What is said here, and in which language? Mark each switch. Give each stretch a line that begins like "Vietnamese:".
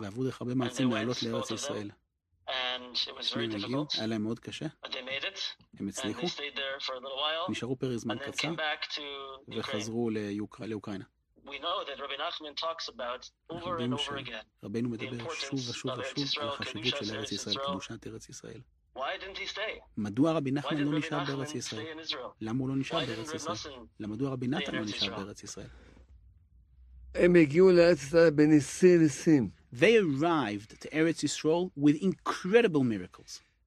Hebrew: ועברו דרך הרבה מעצים לעלות לארץ ישראל.
English: And it was very difficult.
Hebrew: היה להם מאוד קשה.
English: But they made it.
Hebrew: הם הצליחו.
English: And they stayed there for a little while.
Hebrew: נשארו פרק זמן קצר.
English: And then came back to Ukraine.
Hebrew: לאוקראינה.
English: We know that Rabbi Nachman talks about over and over again.
Hebrew: רבינו מדבר שוב ושוב ושוב על החשיבות של ארץ ישראל, קדושת ארץ ישראל.
English: Why didn't he stay?
Hebrew: מדוע רבי נחמן לא נשאר בארץ ישראל? למה הוא לא נשאר בארץ ישראל? למדוע רבי נתן לא נשאר בארץ ישראל? הם הגיעו לארץ ישראל בניסי ניסים.
English: They arrived to Eretz Yisrael with incredible miracles.